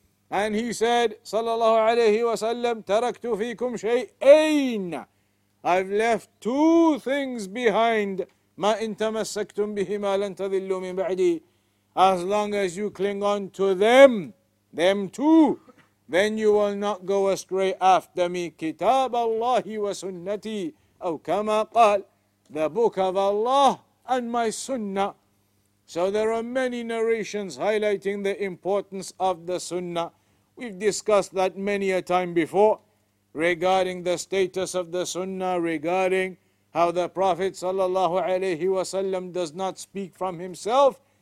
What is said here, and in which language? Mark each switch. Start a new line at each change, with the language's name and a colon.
English: And he said, sallallahu alayhi wa sallam,
Arabic: تَرَكْتُ فِيكُمْ شَيْئَيْنَ.
English: I've left two things behind.
Arabic: مَا إِن تَمَسَّكْتُمْ بِهِمَا لَن تَذِلُّوا مِن بَعْدِي.
English: As long as you cling on to them too, then you will not go astray after me.
Arabic: كتاب الله وسنتي أو كما قال,
English: the book of Allah and my Sunnah. So there are many narrations highlighting the importance of the Sunnah. We've discussed that many a time before regarding the status of the Sunnah, regarding how the Prophet sallallahu alayhi wa sallam does not speak from himself.